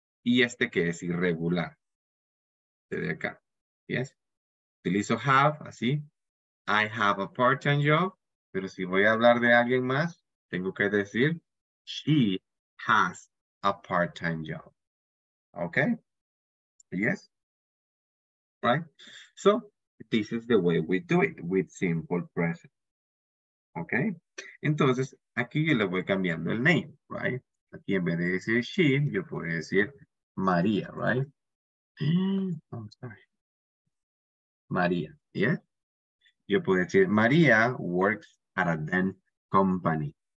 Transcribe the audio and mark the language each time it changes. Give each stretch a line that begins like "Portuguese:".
Spanish: Y este que es irregular. Desde acá.
English: ¿Yes?
Spanish: Utilizo
English: have,
Spanish: así.
English: I have a part-time job.
Spanish: Pero si voy a hablar de alguien más, tengo que decir
English: she has a part-time job. ¿Ok? ¿Yes? Right? So, this is the way we do it, with simple present. Okay?
Spanish: Entonces, aquí yo le voy cambiando el
English: name, right?
Spanish: Aquí en vez de decir she, yo puedo decir María, right?
English: I'm sorry. María, yeah?
Spanish: Yo puedo decir
English: María works at a dance company.